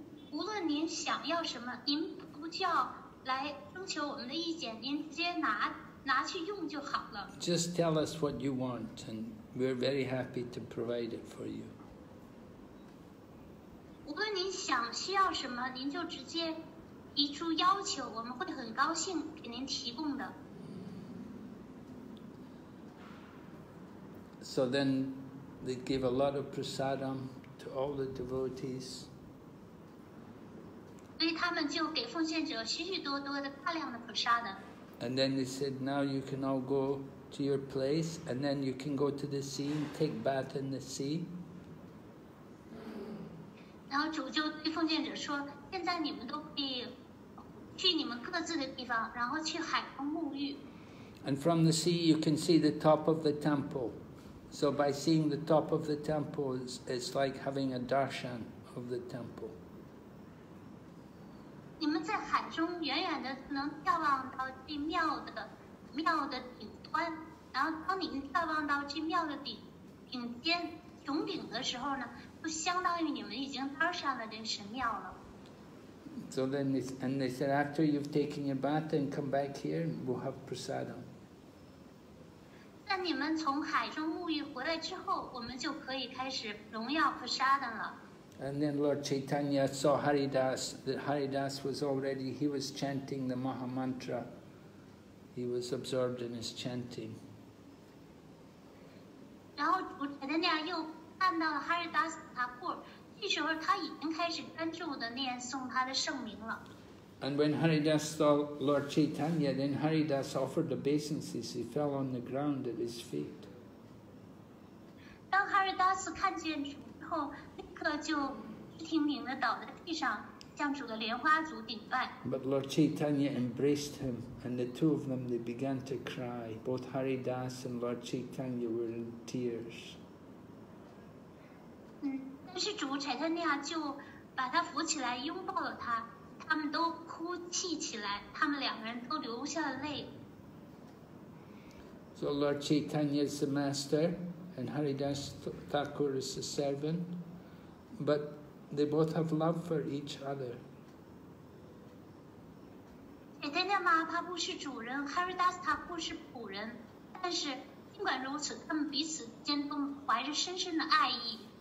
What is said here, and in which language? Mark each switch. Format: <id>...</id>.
<zh>无论您想要什么，您不叫来征求我们的意见，您直接拿去用就好了。</zh> <en>Just tell us what you want, and we're very happy to provide it for you.</en> <zh>无论您想需要什么，您就直接提出要求，我们会很高兴给您提供的。</zh> <en>So then, they give a lot of prasadam to all the devotees.</en> <zh>所以他们就给奉献者许许多多的大量的普沙的。</zh> <en>And then they said, now you can all go to your place, and then you can go to the sea and take bath in the sea.</en> <zh>然后主就对奉献者说，现在你们都可以去你们各自的地方，然后去海中沐浴。</zh> <en>And from the sea, you can see the top of the temple. So by seeing the top of the temple, it's like having a darshan of the temple.</en> <zh>你们在海中远远的能眺望到这庙的顶端，然后当您眺望到这庙的顶尖的时候呢，就相当于你们已经darshan了这神庙了。</zh> <en>So then they said, after you've taken your bath, then come back here, we'll have prasadam.</en> <zh>那你们从海中沐浴回来之后，我们就可以开始荣耀 prasadam 了。</zh> <en>And then Lord Chaitanya saw Haridas, that Haridas was already, he was chanting the Maha Mantra. He was absorbed in his chanting.</en> <zh>然后主持人那样又看到了 Haridas Thakur,这时候他已经开始专注地念诵他的圣名了。</zh> <en>And when Haridas saw Lord Chaitanya, then Haridas offered obeisances. He fell on the ground at his feet.</en> <zh>当 Haridas 看见主之后，立刻就直挺挺地倒在地上，向主的莲花足顶拜。</zh> <en>But Lord Chaitanya embraced him, and the two of them they began to cry. Both Haridas and Lord Chaitanya were in tears.</en> <zh>但是主柴特尼亚就把他扶起来，拥抱了他，他们都哭泣起来，他们两个人都流下了泪。</zh> <en>So Lord Chaitanya is the master, and Haridas Thakur is the servant, but they both have love for each other.</en> <zh>柴特尼亚嘛，他不是主人 ，Haridas Thakur 是仆人，但是尽管如此，他们彼此间都怀着深深的爱意。</zh>